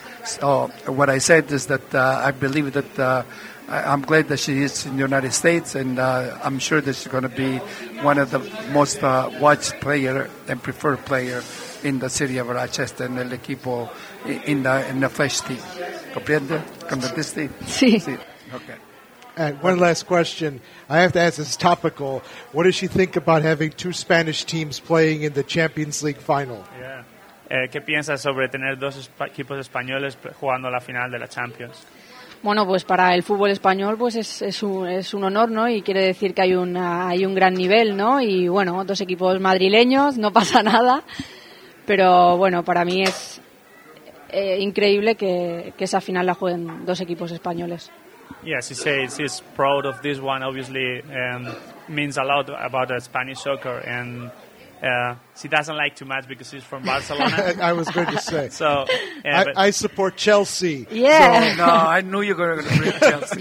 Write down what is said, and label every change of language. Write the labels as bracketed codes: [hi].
[en] So what I said is that I believe that I'm glad that she is in the United States, and I'm sure that she's going to be one of the most watched player and preferred player in the city of Rochester and [es] el equipo [en] in the Flash team. [es] ¿Comprende? ¿Comprendiste? Sí. Sí. Okay. [en] And one last question. I have to ask, this topical. What does she think about having two Spanish teams playing in the Champions League final? Yeah. [es] ¿Qué piensas sobre tener dos equipos españoles jugando la final de la Champions? Bueno, pues para el fútbol español pues es un honor, ¿no? Y quiere decir que hay un gran nivel, ¿no? Y bueno, dos equipos madrileños, no pasa nada. Pero bueno, para mí es increíble que esa final la jueguen dos equipos españoles. [en] Yeah, she says she's proud of this one, obviously, means a lot about Spanish soccer, and she doesn't like too much because she's from Barcelona. I was going to say. So I support Chelsea. Yeah. So. No, I knew you were going to bring Chelsea.